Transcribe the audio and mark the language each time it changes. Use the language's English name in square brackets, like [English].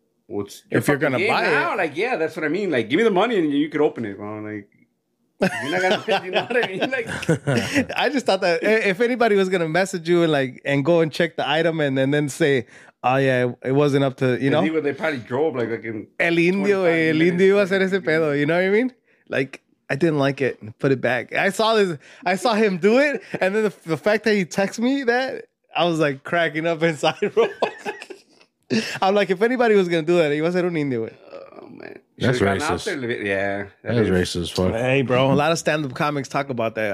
[English] What's well, if you're gonna buy now. It? Like, yeah, that's what I mean. Like, give me the money and you could open it. Well, like. I just thought that if anybody was gonna message you and like and go and check the item and then say, oh yeah, it wasn't up to you know. They probably drove like in [Spanish] El Indio, El Indio iba a ser ese pedo. [English] You know what I mean? Like I didn't like it, put it back. I saw him do it, and then the fact that he texted me that, I was like cracking up inside. I'm like, if anybody was gonna do that, he was a [Spanish] un Indio. [English] Man. That's racist. Yeah, that is racist. Fuck. Hey, bro, a lot of stand-up comics talk about that.